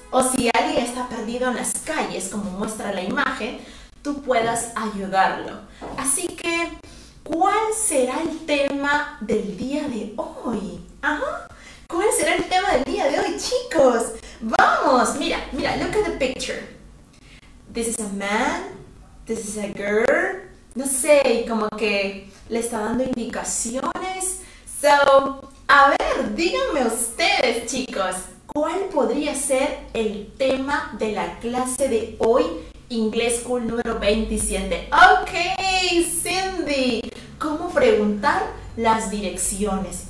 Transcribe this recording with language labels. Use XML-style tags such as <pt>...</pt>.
<es>O si alguien está perdido en las calles, como muestra la imagen, tú puedas ayudarlo. Así que, ¿cuál será el tema del día de hoy? ¿Ajá? ¿Cuál será el tema del día de hoy, chicos? ¡Vamos! Mira, mira,</es> <en>look at the picture. This is a man, this is a girl.</en> <es>No sé, como que le está dando indicaciones. So, a ver, díganme ustedes, chicos, ¿cuál podría ser el tema de la clase de hoy, Inglés School número 27? Ok, Cindy, ¿cómo preguntar las direcciones?</es>